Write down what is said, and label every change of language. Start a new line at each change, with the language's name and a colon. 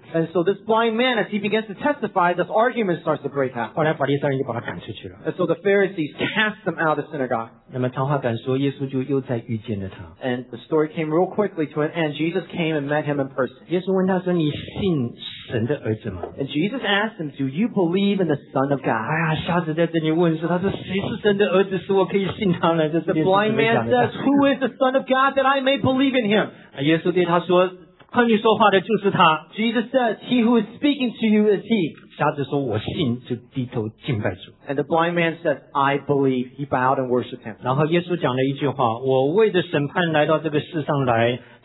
English: And so this blind man, as he begins to testify, this argument starts to break out.
Chinese: 后来法利赛人就把他赶出去了。
English: And so the Pharisees cast them out of the synagogue.
Chinese: 那么长话短说，耶稣就又再遇见了他。
English: And the story came real quickly to an end. Jesus came and met him in person.
Chinese: 耶稣问他说，你信神的儿子吗？
English: And Jesus asked him, "Do you believe in the Son of God?"
Chinese: 哎呀，瞎子在这里问说，他说谁是神的儿子，使我可以信他呢？
English: The blind man says, "Who is the Son of God that I may believe in him?"
Chinese: 耶稣对他说，和你说话的就是他。
English: Jesus says, "He who is speaking to you is he."
Chinese: 瞎子说，我信，就低头敬拜主。
English: And the blind man says, "I believe." He bowed and worshipped him.
Chinese: 然后耶稣讲了一句话，我为着审判来到这个世上来。